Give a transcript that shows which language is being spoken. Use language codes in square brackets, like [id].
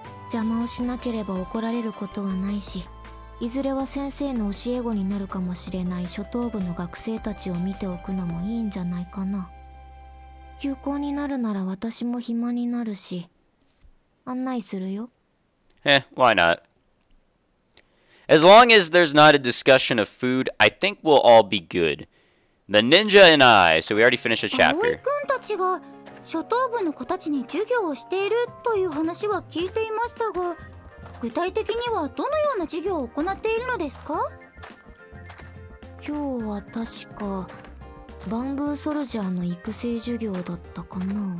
[ja] 邪魔をしなければ怒られることはないし、いずれは先生の教え子になるかもしれない初等部の学生たちを見ておくのもいいんじゃないかな。休校になるなら私も暇になるし、案内するよ。 [en] why not? As long as there's not a discussion of food, I think we'll all be good. The ninja and I, so we already finished a chapter. [ja] Aoi-kun たちが初等部の子たちに授業をしているという話は聞いていましたが、具体的にはどのような授業を行っているのですか？今日は確かバンブーソルジャーの育成授業だったかな。